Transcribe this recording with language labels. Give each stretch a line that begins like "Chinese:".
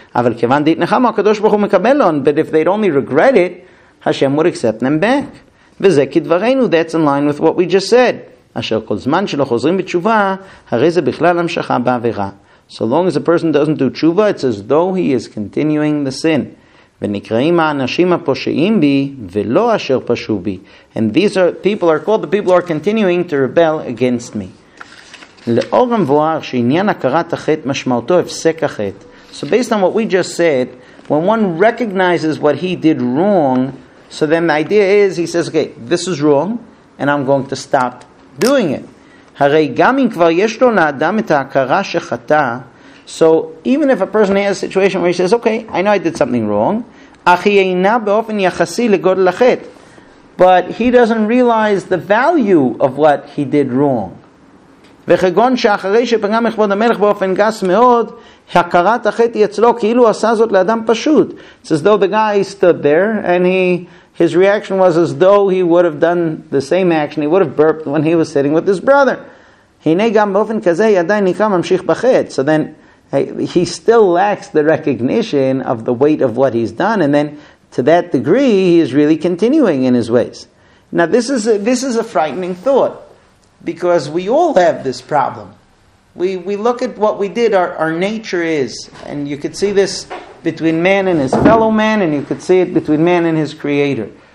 English: But if they'd only regret it, Hashem would accept them back. That's in line with what we just said. So long as a person doesn't do tshuva, it's as though he is continuing the sin.
Hebrew: ונקראים האנשים הפושעים בי ולא אשר פשעו בי.
English: And these are people are called the people who are continuing to rebel against me.
Hebrew: לאור המבואר שעניין הכרת החטא משמעותו הפסק החטא.
English: So based on what we just said, when one recognizes what he did wrong, so then the idea is, he says, okay, this is wrong, and I'm going to stop doing it.
Hebrew: הרי גם אם כבר יש לו לאדם את ההכרה שחטא,
English: so even if a person has a situation where he says, okay, I know I did something wrong,
Hebrew: אך היא אינה באופן יחסי לגודל החטא.
English: But he doesn't realize the value of what he did wrong.
Hebrew: וכגון שאחרי שפגע מכבוד המלך באופן גס מאוד, הכרת החטא היא אצלו, כאילו עשה זאת לאדם פשוט.
English: It's as though the guy stood there, and his reaction was as though he would have done the same action, he would have burped when he was sitting with his brother.
Hebrew: הנה גם באופן כזה, ידיין נקרא ממשיך בחטא.
English: So then, he still lacks the recognition of the weight of what he's done, and then to that degree, he is really continuing in his ways. Now, this is a frightening thought. Because we all have this problem. We look at what we did, our nature is. And you could see this between man and his fellow man, and you could see it between man and his creator.